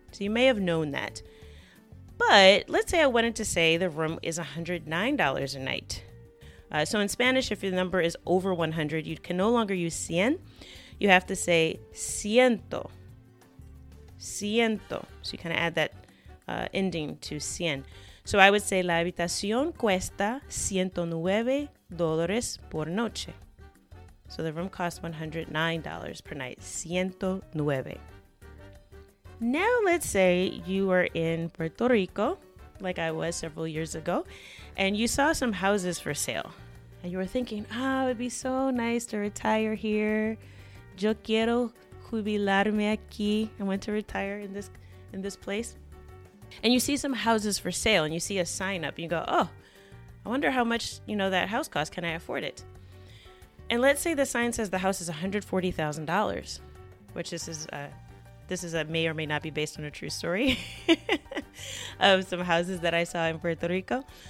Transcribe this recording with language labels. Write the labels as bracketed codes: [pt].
[en] So you may have known that. But let's say I wanted to say the room is $109 a night. So in Spanish, if your number is over 100, you can no longer use 100. You have to say ciento. Ciento. So you kind of add that ending to 100. So I would say, [es] la habitación cuesta $109 por noche. [en] So the room costs $109 per night, 109. Now let's say you were in Puerto Rico, like I was several years ago, and you saw some houses for sale. And you were thinking, ah, oh, it'd be so nice to retire here. [es] Yo quiero jubilarme aquí. [en] I want to retire in this place. And you see some houses for sale and you see a sign up. You go, oh, I wonder how much, you know, that house costs. Can I afford it? And let's say the sign says the house is $140,000, which this is a may or may not be based on a true story of some houses that I saw in Puerto Rico.